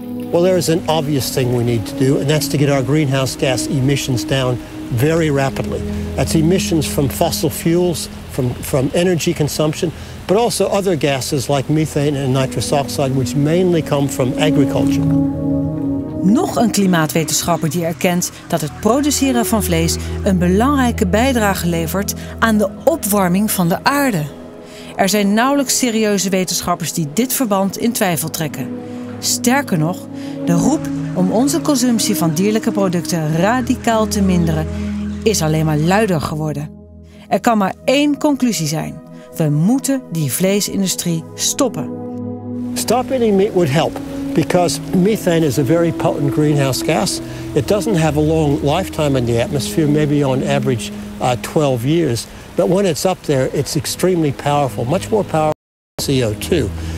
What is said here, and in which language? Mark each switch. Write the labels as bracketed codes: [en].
[en] Well, there is an obvious thing we need to do, and that's to get our greenhouse gas emissions down very rapidly. That's emissions from fossil fuels, from energy consumption, but also other gases like methane and nitrous oxide, which mainly come from agriculture. [nl] Nog een klimaatwetenschapper die erkent dat het produceren van vlees een belangrijke bijdrage levert aan de opwarming van de aarde. Er zijn nauwelijks serieuze wetenschappers die dit verband in twijfel trekken. Sterker nog, de roep om onze consumptie van dierlijke producten radicaal te minderen is alleen maar luider geworden. Er kan maar één conclusie zijn. We moeten die vleesindustrie stoppen. [en] Stop eating meat would help, because methane is a very potent greenhouse gas. It doesn't have a long lifetime in the atmosphere, maybe on average 12 years. But when it's up there, it's extremely powerful, much more powerful than CO2.